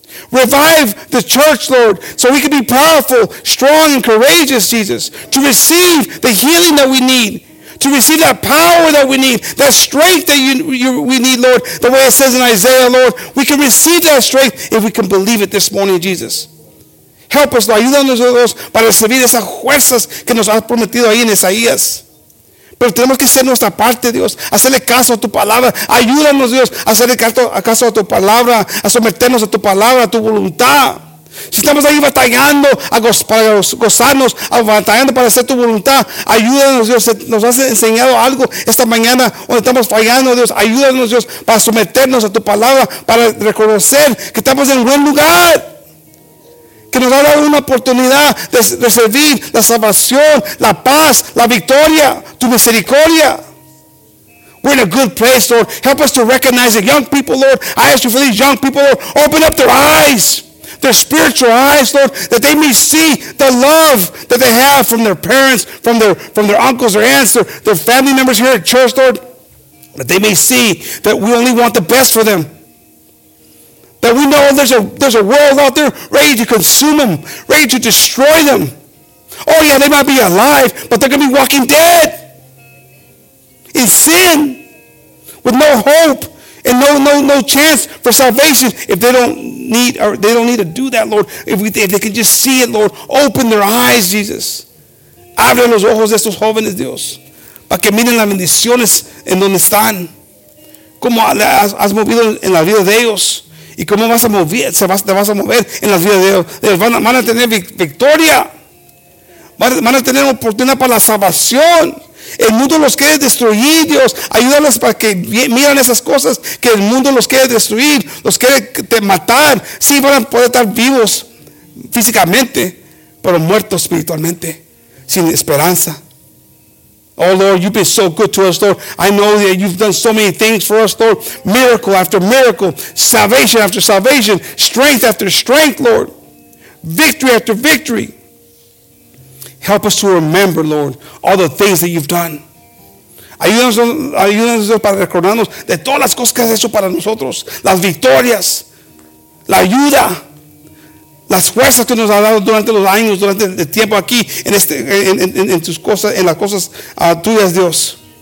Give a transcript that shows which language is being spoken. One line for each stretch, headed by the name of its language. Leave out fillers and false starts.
English: Revive the church, Lord, so we can be powerful, strong, and courageous, Jesus, to receive the healing that we need, to receive that power that we need, that strength that we need, Lord, the way it says in Isaiah, Lord. We can receive that strength if we can believe it this morning, Jesus. Help us, Lord.
Spanish: Ayúdanos, Dios, para recibir esas fuerzas que nos has prometido ahí en Isaías. Pero tenemos que hacer nuestra parte, Dios. Hacerle caso a tu palabra. Ayúdanos, Dios, a hacerle caso a tu palabra. A someternos a tu palabra, a tu voluntad. Si estamos ahí batallando para gozarnos, batallando para hacer tu voluntad, ayúdanos, Dios. Nos has enseñado algo esta mañana donde estamos fallando, Dios. Ayúdanos, Dios, para someternos a tu palabra, para reconocer que estamos en buen lugar. Que nos ha dado una oportunidad de recibir la salvación, la paz, la victoria, tu misericordia.
English: We're in a good place, Lord. Help us to recognize it. Young people, Lord, I ask you for these young people, Lord, open up their eyes, their spiritual eyes, Lord, that they may see the love that they have from their parents, from their uncles, their aunts, their family members here at church, Lord, that they may see that we only want the best for them. That we know there's a world out there ready to consume them, ready to destroy them. Oh yeah, they might be alive, but they're going to be walking dead in sin with no hope and no chance for salvation if they don't need or they don't need to do that, Lord. If they can just see it, Lord, open their eyes, Jesus.
Spanish: Abre los ojos de estos jóvenes, Dios, para que miren las bendiciones en donde están. Cómo has movido en la vida de ellos y cómo vas a mover, te vas a mover en la vida de ellos. Van a tener victoria. Van a tener oportunidad para la salvación. El mundo los quiere destruir, Dios. Ayúdalos para que miren esas cosas que el mundo los quiere destruir, los quiere matar. Sí, van a poder estar vivos físicamente, pero muertos espiritualmente, sin esperanza.
English: Oh Lord, you've been so good to us, Lord. I know that you've done so many things for us, Lord. Miracle after miracle, salvation after salvation, strength after strength, Lord. Victory after victory. Help us to remember, Lord, all the things that you've done.
Spanish: Ayúdanos para recordarnos de todas las cosas que has hecho para nosotros. Las victorias, la ayuda, las fuerzas que nos has dado durante los años, durante el tiempo aquí, en tus cosas, en las cosas tuyas, Dios.